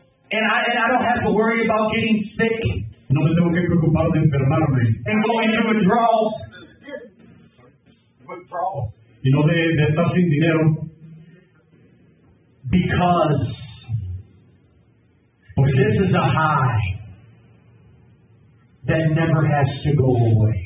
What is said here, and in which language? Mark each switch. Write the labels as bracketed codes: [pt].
[en] And I don't have to worry about getting sick. [es] No me tengo que preocupar de enfermarme. [en] And going to withdrawal. [es] Y no de estar sin dinero. [en] Because okay. This is a high that never has to go away.